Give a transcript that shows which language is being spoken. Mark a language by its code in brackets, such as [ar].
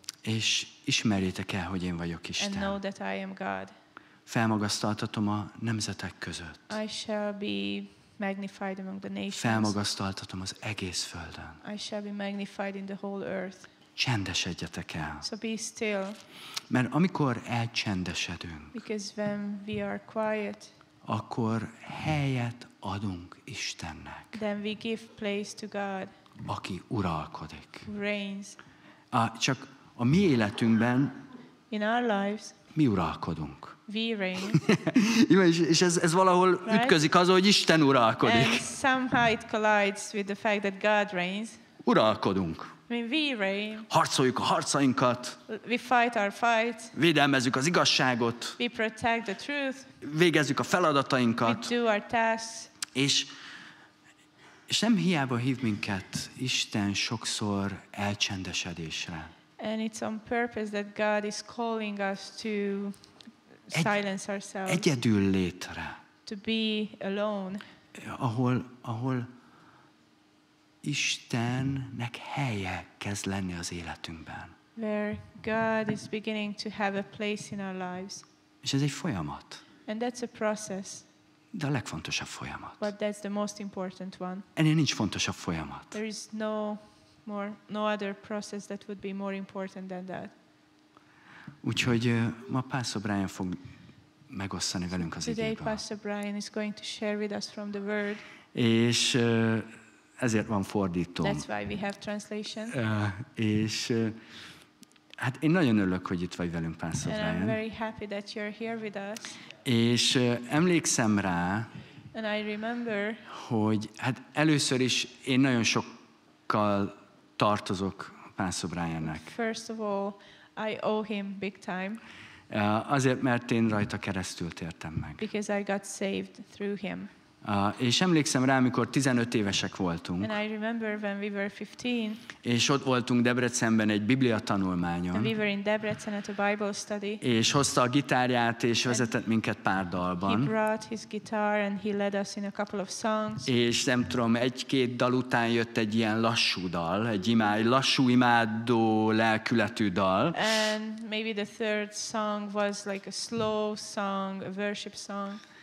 [hu] És ismerjétek el, hogy én vagyok Isten. [en] And know that I am God. [hu] Felmagasztaltatom a nemzetek között. [en] I shall be magnified among the nations. [hu] Felmagasztaltatom az egész földön. [en] I shall be magnified in the whole earth. [hu] Csendesedjetek el. [en] So be still. [hu] Mert amikor elcsendesedünk, [en] because when we are quiet, [hu] akkor helyet adunk Istennek. [en] Then we give place to God. [hu] Aki uralkodik. [en] Reigns. [hu] Csak a mi életünkben, [en] in our lives, [hu] mi uralkodunk. [en] We reign. [hu] És ez valahol right? Ütközik az, hogy Isten uralkodik. [en] And somehow it collides with the fact that God reigns. [hu] Uralkodunk. [en] I mean, we reign. [hu] Harcoljuk a harcainkat. [en] We fight our fights. [hu] Védelmezzük az igazságot. [en] We protect the truth. [hu] Végezzük a feladatainkat. [en] We do our tasks. [hu] És nem hiába hív minket Isten sokszor elcsendesedésre. [en] And it's on purpose that God is calling us to silence ourselves. [hu] Egyedül létre. [en] To be alone. [hu] Ahol Istennek helye kezd lenni az életünkben. [en] Where God is beginning to have a place in our lives. [hu] És ez egy folyamat. [en] And that's a process. [hu] De a legfontosabb folyamat. [en] But that's the most important one. [hu] Ennél nincs fontosabb folyamat. [en] There is no other process that would be more important than that. [hu] Úgyhogy ma Pastor Brian fog megosztani velünk az igéből. [en] Today Pastor Brian is going to share with us from the Word. [hu] És ezért van fordító. [en] That's why we have translation. [hu] Hát én nagyon örülök, hogy itt vagy velünk, Pastor Brian. [en] And I'm very happy that you're here with us. [hu] És emlékszem rá. [en] And I remember, [hu] hogy hát először is én nagyon sokkal tartozok Pán Szobrájának. [en] First of all, I owe him big time. [hu] Azért, mert én rajta keresztül tértem meg. [en] Because I got saved through him. [hu] És emlékszem rá, amikor 15 évesek voltunk. [en] And I remember when we were 15. [hu] És ott voltunk Debrecenben egy Biblia tanulmányon. [en] And we were in Debrecen at a Bible study. [hu] És hozta a gitárját és vezetett minket pár dalban. [en] He brought his guitar and he led us in a couple of songs. [hu] És nem tudom, egy-két dal után jött egy ilyen lassú dal, egy lassú imádó lelkületű dal. [en] And maybe the third song was like a slow song, a worship song.